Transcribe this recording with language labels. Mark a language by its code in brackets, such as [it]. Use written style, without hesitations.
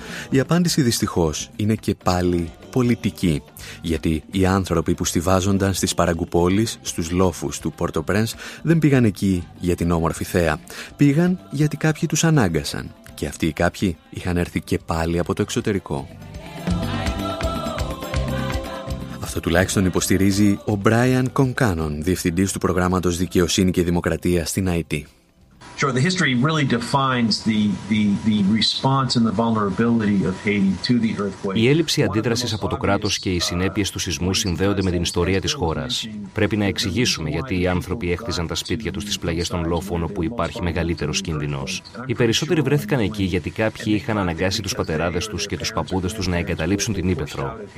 [el] Η απάντηση δυστυχώς είναι και πάλι πολιτική, γιατί οι άνθρωποι που στηβάζονταν στις παραγκουπόλεις, στους λόφους του Port-au-Prince, δεν πήγαν εκεί για την όμορφη θέα. Πήγαν γιατί κάποιοι τους ανάγκασαν και αυτοί οι κάποιοι είχαν έρθει και πάλι από το εξωτερικό. Αυτό τουλάχιστον υποστηρίζει ο Brian Concannon, διευθυντής του προγράμματος Δικαιοσύνη και Δημοκρατία στην IT. [en] Sure, the history really defines the response and the vulnerability of Haiti to the earthquake. [el] Η έλλειψη αντίδρασης από το κράτος και οι συνέπειες του σεισμού συνδέονται με την ιστορία της χώρας. Πρέπει να εξηγήσουμε γιατί οι άνθρωποι έχτιζαν τα σπίτια τους στις πλαγιές των λόφων όπου υπάρχει μεγαλύτερος κίνδυνος. Οι περισσότεροι βρέθηκαν εκεί γιατί κάποιοι είχαν αναγκάσει τους πατεράδες τους και τους παππούδες τους να εγκαταλείψουν την ύπαιθρο.